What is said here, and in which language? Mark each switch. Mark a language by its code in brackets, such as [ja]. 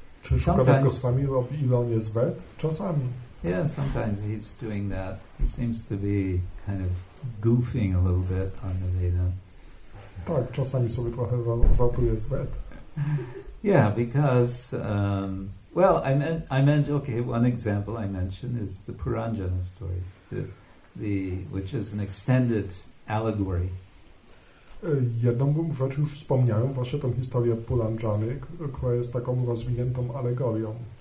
[pl] Czy Shukadev Goswami robi ironię z Ved? Czasami. [en] Yeah, sometimes he's doing that. He seems to be kind of goofing a little bit on the Veda. [pl] Tak, czasami sobie trochę żartuje z Ved. [en] Yeah, because one example I mentioned is the Puranjana story, which is an extended allegory. [pl] Jedną rzecz już wspomniałem, właśnie tą historię Puranjany, która jest taką rozwiniętą alegorią.